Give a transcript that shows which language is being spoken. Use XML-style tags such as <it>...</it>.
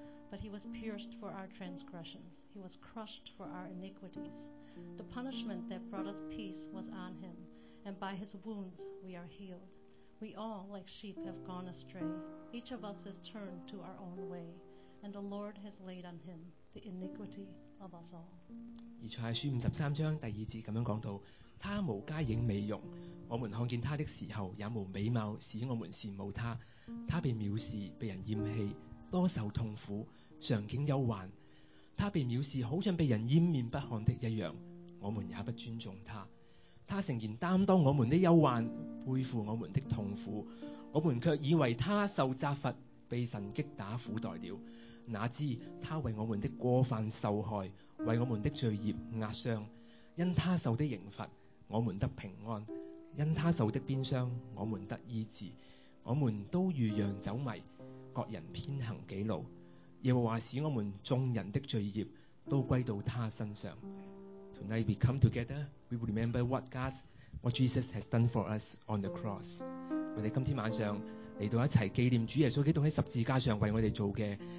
<en>But he was pierced for our transgressions. He was crushed for our iniquities. The punishment that brought us peace was on him, and by his wounds we are healed. We all, like sheep, have gone astray. Each of us has turned to our own way, and the Lord has laid on him the iniquity.</en> <yue>而赛亚书53:2咁样讲到，他无佳影美容，我们看见他的时候也无美貌，使我们羡慕他。他被藐视，被人厌弃，多受痛苦，常经忧患。他被藐视，好像被人掩面不看的一样，我们也不尊重他。他诚然担当我们的忧患，背负我们的痛苦，我们却以为他受责罚，被神击打苦待了。哪知他为我们的过犯受害，为我们的罪孽压伤。因他受的刑罚，我们得平安；因他受的鞭伤，我们得医治。我们都如羊走迷，各人偏行己路。耶和华使我们众人的罪孽都归到他身上。</yue> <en>Tonight we come together, we remember what Jesus has done for us on the cross。</en> <yue>我哋今天晚上嚟到一齐纪念主耶稣基督喺十字架上为我哋做嘅。</yue>